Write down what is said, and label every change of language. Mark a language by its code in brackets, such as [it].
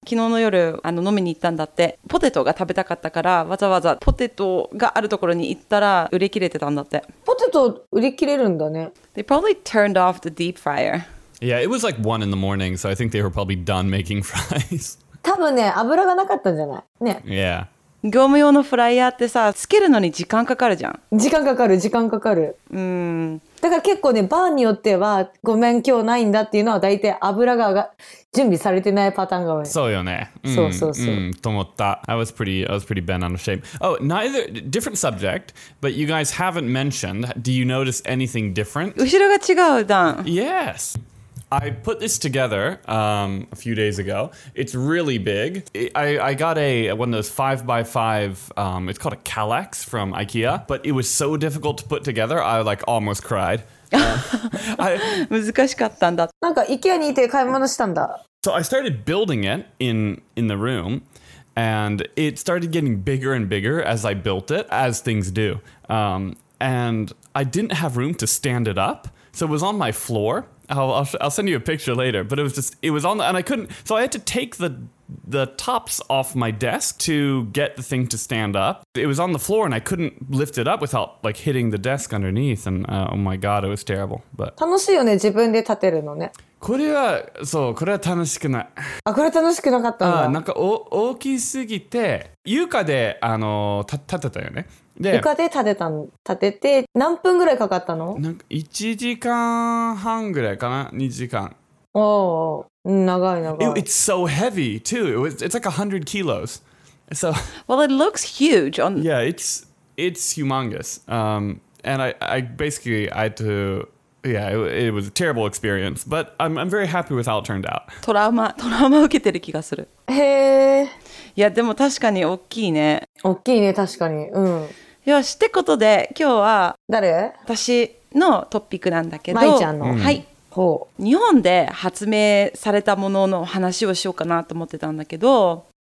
[ja] 昨日の夜飲みに行ったんだって。ポテトが食べたかったから、わざわざポテトがあるところに行ったら売り切れてたんだって。ポテト売り切れるんだね。 [en] They probably turned off the deep fryer. Yeah, it was like 1 in the morning, so I think they were probably done making fries. [ja] 多分ね、油がなかったんじゃない？ね。 [en] Yeah. [ja] 業務用のフライヤーってさ、つけるのに時間かかるじゃん。時間かかる、時間かかる。だから結構ね、バーによっては、ごめん、今日ないんだっていうのは、大体油が準備されてないパターンが多い。そうよね。そうそうそう。と思った。 [en] I was pretty bent out of shape. Oh, neither, different subject, but you guys haven't mentioned, do you notice anything different? [ja] 後ろが違うだん。 [en] Yes! I put this together a few days ago. It's really big. I got one of those 5x5, it's called a Kallax from IKEA, but it was so difficult to put together, I like almost cried. [ja] 難しかったんだ。なんか IKEA にいて買い物したんだ。 [en] So I started building it in the room. And it started getting bigger and bigger as I built it, as things do. And I didn't have room to stand it up. So it was on my floor. I'll send you a picture later. But it was on the, and I couldn't, so I had to take the tops off my desk to get the thing to stand up. It was on the floor and I couldn't lift it up without like hitting the desk underneath. And oh my God, it was terrible. But [ja] 楽しいよね、自分で立てるのね。これは、そう、これは楽しくない。あ、これ楽しくなかったんだ。なんか大きすぎて、床で、立てたよね。で、床で立てて、何分ぐらいかかったの？なんか1時間半ぐらいかな、2時間。おー、長い長い。 [en] It's so heavy, too. It's like 100 kilos. So, well, it looks huge. On... Yeah, it's humongous. And I basically, I had to... Yeah, it was a terrible experience, but I'm very happy with how it turned out. [ja] トラウマ受けてる気がする。へえ。いや、でも確かに大きいね。大きいね、確かに。うん。よし、ってことで、今日は誰？私のトピックなんだけど。舞ちゃんの。はい。ほう。日本で発明されたものの話をしようかなと思ってたんだけど。